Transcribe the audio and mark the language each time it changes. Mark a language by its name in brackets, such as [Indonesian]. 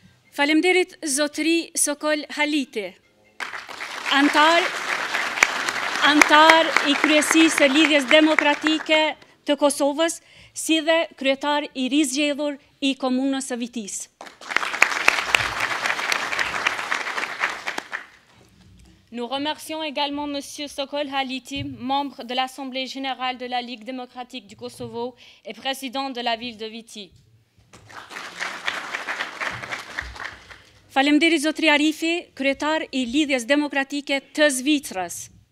[Albanian] Faleminderit zotri Sokol Halite, antar i kryesisë së lidhjes demokratike të Kosovës, si dhe kryetar i rizgjedhur i komunës së Vitisë. [French] Nous remercions également Monsieur Sokol Haliti, membre de l'Assemblée générale de la Ligue démocratique du Kosovo et président de la ville de Viti. [Albanian] Faleminderit zotri Arifi, kryetar i lidhjes demokratike të Zvicrës.